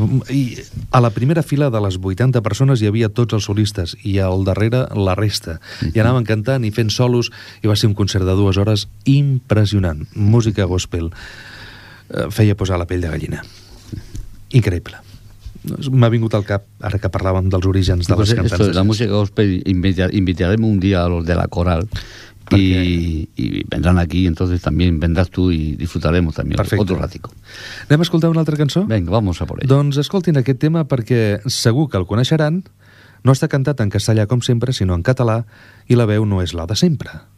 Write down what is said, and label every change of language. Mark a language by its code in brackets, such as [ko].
[ca] I a la primera fila de les 80 persones hi havia tots els solistes i al darrere la resta. I anaven cantant i fent solos i va ser un concert de 2 hores impressionant. Música gospel. Feia posar la pell de gallina. Increïble. M'ha vingut al cap, ara que parlàvem dels orígens de les cantants. La música gospel, invitarem un dia a los de la coral. [es] Y vendrán aquí, entonces también vendrás tú y disfrutaremos también. Perfecto. Otro ratico. [ca] Anem a escoltar una altra cançó? [es] Venga, vamos a por ello. [ca] Doncs escoltin aquest tema perquè segur que el coneixeran. No està cantat en castellà com sempre, sinó en català, i la veu no és la de sempre.